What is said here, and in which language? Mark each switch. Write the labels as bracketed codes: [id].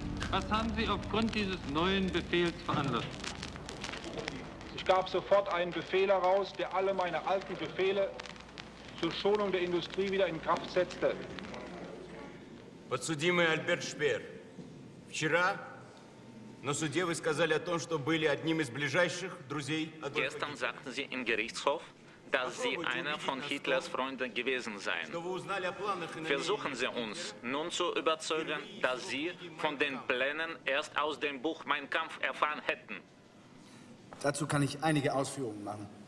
[de] Was haben Sie aufgrund dieses neuen Befehls veranlasst? Es gab sofort einen Befehl heraus, der alle meine alten Befehle zur Schonung der Industrie wieder in Kraft setzte. [ru] Подсудимый Альберт Шпеер, вчера на суде вы сказали о том, что были одним из ближайших друзей Адольфа Гитлера. [de] Gestern sagten Sie im Gerichtshof, dass Sie einer von Hitlers Freunden gewesen seien. Versuchen Sie uns nun zu überzeugen, dass Sie von den Plänen erst aus dem Buch Mein Kampf erfahren hätten. Dazu kann ich einige Ausführungen machen.